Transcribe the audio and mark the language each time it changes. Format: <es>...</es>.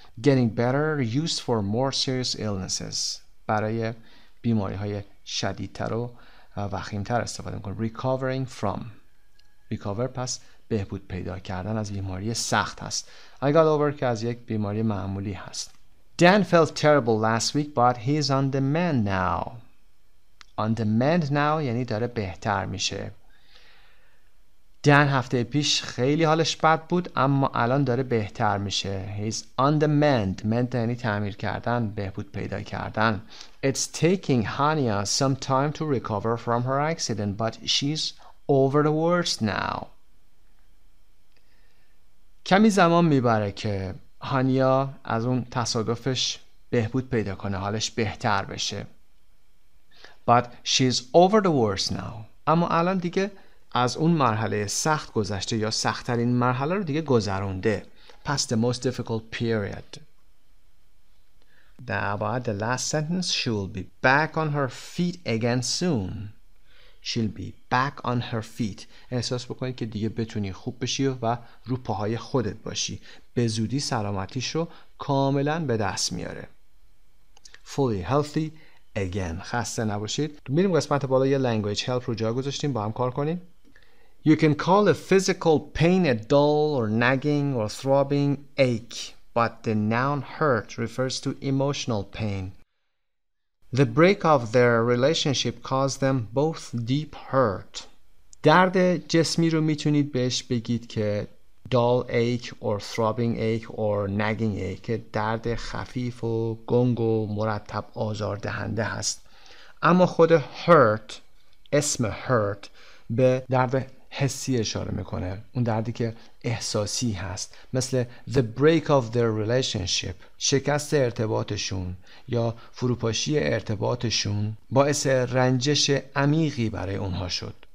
<en>Getting better used for more serious illnesses</en> <fa>برای بیماری های شدیدتر و وخیمتر استفاده میکنه.</fa> <en>Recovering from،</en> <fa>recover پس بهبود پیدا کردن از بیماری سخت هست.</fa> <en>I got over</en> <fa>که از یک بیماری معمولی هست.</fa> <en>Dan felt terrible last week but he's on the mend now.</en> <fa>On the mend now یعنی داره بهتر میشه. دن هفته پیش خیلی حالش بد بود اما الان داره بهتر میشه.</fa> <en>He's on the mend.</en> <fa>Mend یعنی تعمیر کردن، بهبود پیدا کردن.</fa> <en>It's taking Hania some time to recover from her accident but she's over the worst now.</en> <fa>کمی زمان میبره که هانیا از اون تصادفش بهبود پیدا کنه، حالش بهتر بشه.</fa> <en>But she's over the worst now.</en> <fa>اما الان دیگه از اون مرحله سخت گذشته یا سخت‌ترین مرحله رو دیگه گذرونده.</fa> <en>Past the most difficult period. Now the last sentence, she will be back on her feet again soon. She'll be back on her feet.</en> <fa>احساس بکنید که دیگه بتونی خوب بشی و رو پاهای خودت باشی. به زودی سلامتیش رو کاملا به دست میاره.</fa> <en>Fully healthy again.</en> <fa>خسته نباشید. میریم قسمت بالا، یه language help رو جا گذاشتیم، با هم کار کنیم.</fa> <en>You can call a physical pain a dull or nagging or throbbing ache, but the noun hurt refers to emotional pain. The break of their relationship caused them both deep hurt.</en> <fa>درد جسمی رو میتونید بهش بگید که</fa> <en>dull ache or throbbing ache or nagging ache،</en> <fa>که درد خفیف و گنگ و مرتب آزار دهنده هست. اما خود hurt، اسم hurt، به درد حسی اشاره میکنه، اون دردی که احساسی هست، مثل</fa> <en>the break of their relationship،</en> <fa>شکست ارتباطشون یا فروپاشی ارتباطشون باعث رنجش عمیقی برای اونها شد.</fa>